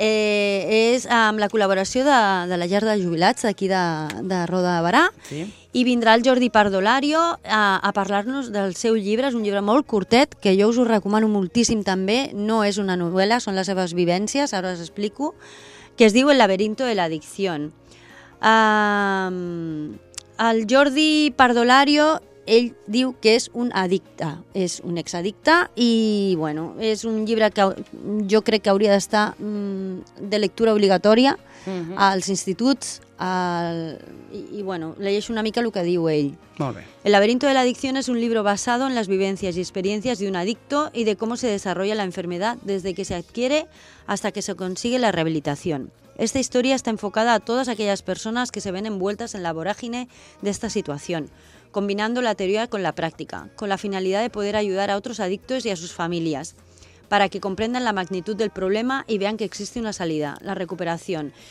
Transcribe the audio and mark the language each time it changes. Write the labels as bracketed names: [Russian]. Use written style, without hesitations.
[Catalan] És amb la col·laboració de la Llar de Jubilats d'aquí de Roda de Barà. Sí. I vindrà el Jordi Pardolario a parlar-nos del seu llibre. És un llibre molt curtet, que jo us ho recomano moltíssim també. No és una novel·la, són les seves vivències, ara us explico. Que es diu El laberinto de la adicción. El Jordi Pardolario... Ell diu que és un addicte, és un exaddicte, i bueno, és un llibre que jo crec que hauria d'estar de lectura obligatòria, uh-huh, als instituts, i bueno, llegeixo una mica el que diu ell. Molt bé. [Spanish] El laberinto de la adicción es un libro basado en las vivencias y experiencias de un adicto y de cómo se desarrolla la enfermedad desde que se adquiere hasta que se consigue la rehabilitación. Esta historia está enfocada a todas aquellas personas que se ven envueltas en la vorágine de esta situación, combinando la teoría con la práctica, con la finalidad de poder ayudar a otros adictos y a sus familias, para que comprendan la magnitud del problema y vean que existe una salida, la recuperación.